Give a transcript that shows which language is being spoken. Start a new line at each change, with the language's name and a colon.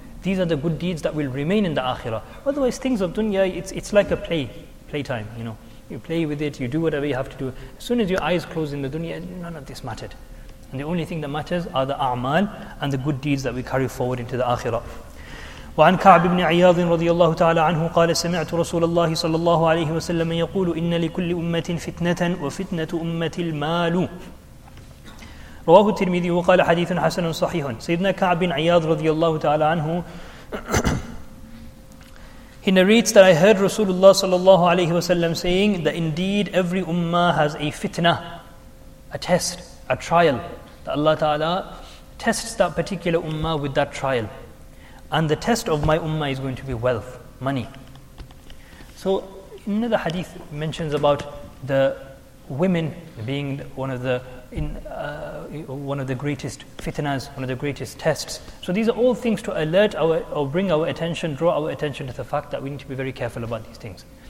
English: These are the good deeds that will remain in the Akhirah. Otherwise, things of dunya, it's like a playtime, you know. You play with it, you do whatever you have to do. As soon as your eyes close in the dunya, none of this mattered. And the only thing that matters are the a'mal and the good deeds that we carry forward into the Akhirah.
Arabic: وعن كعب بن عياض رضي الله تعالى عنه قال سمعت رسول الله صلى الله عليه وسلم يقول إن لكل أمة فتنة وفتنة أمة المال رواه الترمذي وقال حديث حسن صحيح سيدنا كعب بن عياض رضي الله تعالى عنه
English: He narrates that I heard Rasulullah صلى الله عليه وسلم saying that indeed every ummah has a fitna, a test, a trial, that Allah Ta'ala tests that particular ummah with that trial. And the test of my ummah is going to be wealth, money. So another hadith mentions about the women being one of the greatest fitnas, one of the greatest tests. So these are all things to alert draw our attention to the fact that we need to be very careful about these things.